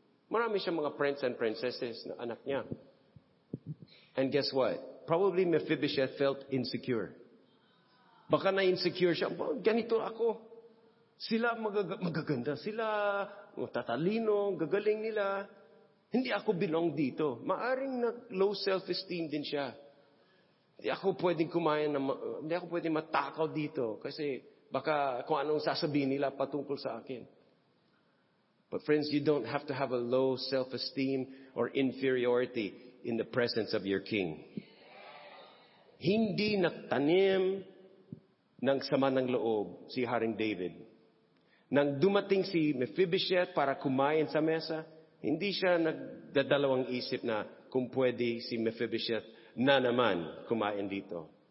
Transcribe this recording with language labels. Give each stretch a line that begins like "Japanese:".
Filipino: Marami siyang mga
English: prince and princesses
Filipino: na anak niya.
English: And guess what? Probably Mephibosheth felt insecure.
Filipino: Baka na-insecure siya. Ganito ako. Sila magaganda. Sila tatalino, gagaling nila. Hindi ako belong dito. Maaring low self-esteem din siya. Hindi ako pwedeng kumain, hindi ako pwedeng matakaw dito kasi baka kung anong sasabihin nila patungkol sa akin.
English: But friends, you don't have to have a low self-esteem or inferiority in the presence of your king.
Filipino: Hindi nagtanim ng sama ng loob si Haring David. Nang dumating si Mephibosheth para kumain sa mesa, hindi siya nagdadalawang isip na kung pwede si Mephibosheth na naman kumain dito.